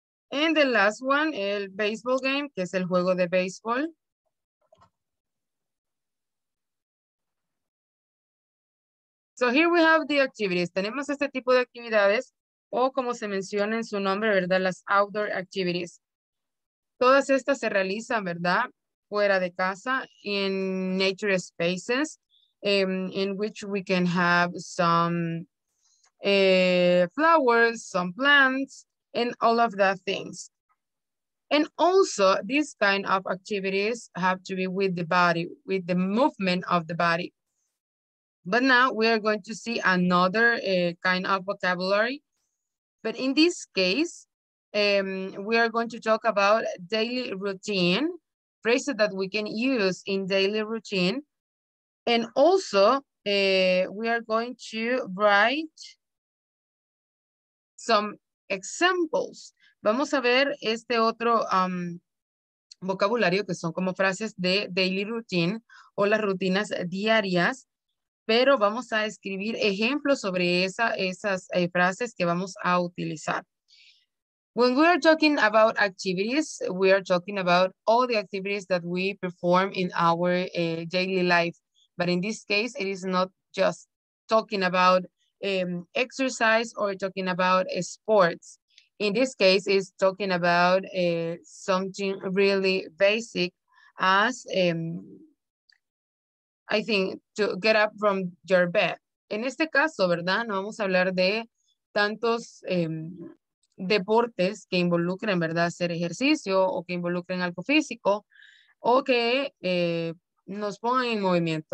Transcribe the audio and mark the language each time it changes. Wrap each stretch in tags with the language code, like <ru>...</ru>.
<en>And the last one,</en> <es>el baseball game, que es el juego de béisbol.</es> <en>So here we have the activities.</en> <es>Tenemos este tipo de actividades o como se menciona en su nombre, ¿verdad? Las outdoor activities. Todas estas se realizan, ¿verdad? Fuera de casa,</es> <en>in nature spaces, in which we can have some flowers, some plants, and all of that things. And also, these kind of activities have to be with the body, with the movement of the body. But now we are going to see another kind of vocabulary. But in this case, we are going to talk about daily routine, phrases that we can use in daily routine. And also, we are going to write some examples.</en> <es>Vamos a ver este otro vocabulario que son como frases de daily routine o las rutinas diarias. Pero vamos a escribir ejemplos sobre esas frases que vamos a utilizar.</es> <en>When we are talking about activities, we are talking about all the activities that we perform in our daily life. But in this case, it is not just talking about exercise or talking about sports. In this case, it's talking about something really basic as I think, to get up from your bed.</en> <es>En este caso, ¿verdad? No vamos a hablar de tantos deportes que involucren, ¿verdad? Hacer ejercicio o que involucren algo físico o que nos pongan en movimiento.</es>